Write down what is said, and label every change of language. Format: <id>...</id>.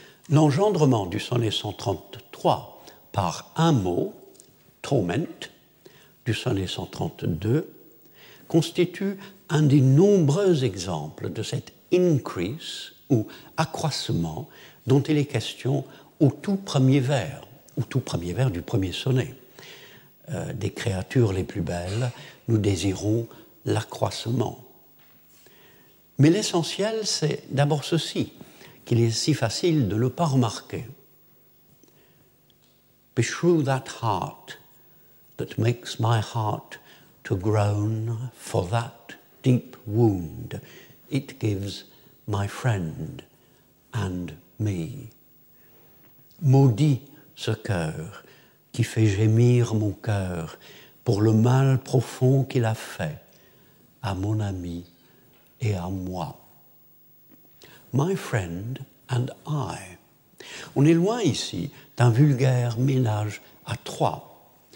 <fr>L'engendrement du sonnet 133 par un mot, torment, du sonnet 132, constitue un des nombreux exemples de cet increase ou accroissement dont il est question au tout premier vers, au tout premier vers du premier sonnet. Des créatures les plus belles, nous désirons l'accroissement. Mais l'essentiel, c'est d'abord ceci, qu'il est si facile de ne pas remarquer.</fr> <en>Beshrew that heart that makes my heart to groan for that deep wound it gives my friend and me.</en> <fr>Maudit ce cœur qui fait gémir mon cœur pour le mal profond qu'il a fait à mon ami. Et à moi.</fr> <en>My friend and I.</en> <fr>On est loin ici d'un vulgaire ménage à trois.</fr>